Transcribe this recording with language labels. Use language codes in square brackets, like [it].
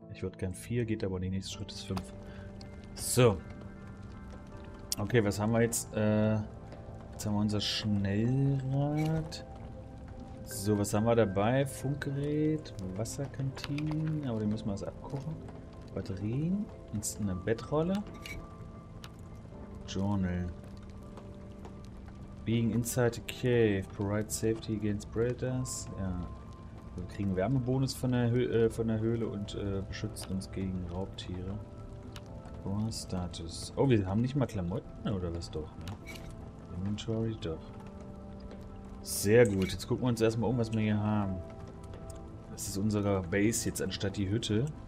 [de] Ich würde gern 4, geht aber nicht. Nächster Schritt ist 5. So. Okay, was haben wir jetzt? Jetzt haben wir unser Schnellrad. So, was haben wir dabei? Funkgerät, Wasserkantinen, aber den müssen wir jetzt abkochen. Batterien, eine Bettrolle. Journal. [en] Being inside the cave, provide safety against predators. [de] Ja. Wir kriegen Wärmebonus von der Höhle und beschützt uns gegen Raubtiere. Status. Oh, wir haben nicht mal Klamotten oder was doch, ne? Inventory, doch. Sehr gut. Jetzt gucken wir uns erstmal um, was wir hier haben. Das ist unsere Base jetzt anstatt die Hütte.